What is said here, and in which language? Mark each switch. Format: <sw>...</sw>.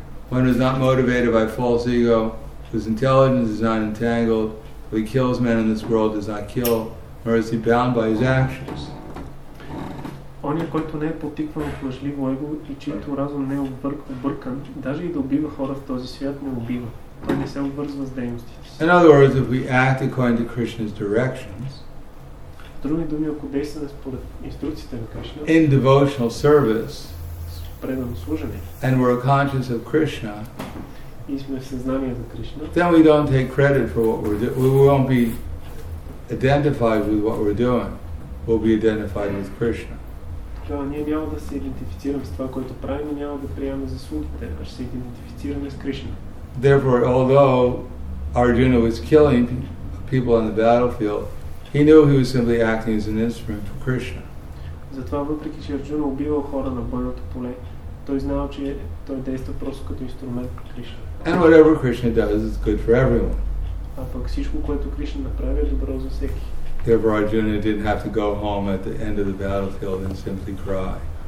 <en>One who is not motivated by false ego, whose intelligence is not entangled, who he kills men in this world does not kill, nor is he bound by his actions.</en> <bg>Оня, който не е потикван от лъжливо его и чийто разум не е объркан, даже и да убива хора в този свят, не убива. Той не се обвързва с дейностите.</bg> <en>In other words, if we act according to Krishna's directions,</en> <bg>в други думи, ако действаме според инструкциите на Кришна,</bg> <en>in devotional service,</en> <bg>с предано служение,</bg> <en>and we're conscious of Krishna,</en> <bg>и сме в съзнание за Кришна,</bg> <en>then we don't take credit for what we're doing. We won't be identified with what we're doing. We'll be identified with Krishna.</en> <bg>Да, ние няма да се идентифицираме с това, което правим и няма да приемаме заслугите, а ще се идентифицираме с Кришна.</bg> <en>Therefore, although Arjuna was killing people on the battlefield, he knew he was simply acting as an instrument for Krishna.</en> <bg>Затова, въпреки че Арджуна убивал хора на бойното поле, той знал, че той действа просто като инструмент на Кришна.</bg> <en>And whatever Krishna does is good for everyone.</en> <bg>А пък всичко, което Кришна направи, е добро за всеки.</bg> <en>Therefore, Arjuna didn't have to go home at the end of the battlefield and simply cry.</en>